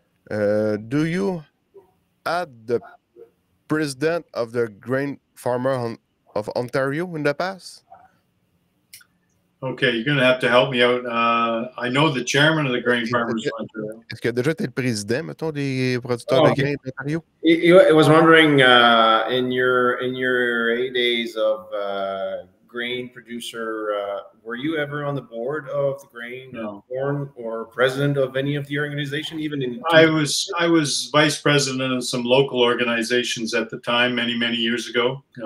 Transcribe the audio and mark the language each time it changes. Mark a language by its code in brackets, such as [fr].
[en] Do you add the president of the Grain Farmer of Ontario in the past? Okay, you're going to have to help me out. I know the chairman of the Grain Farmers of Ontario. [fr] Est-ce que déjà tu es le président, mettons, des producteurs de grains d'Ontario? [en] I was wondering, in your eight days of grain producer, were you ever on the board of the grain or president of any of the organization? Even in I was vice president of some local organizations at the time, many, many years ago.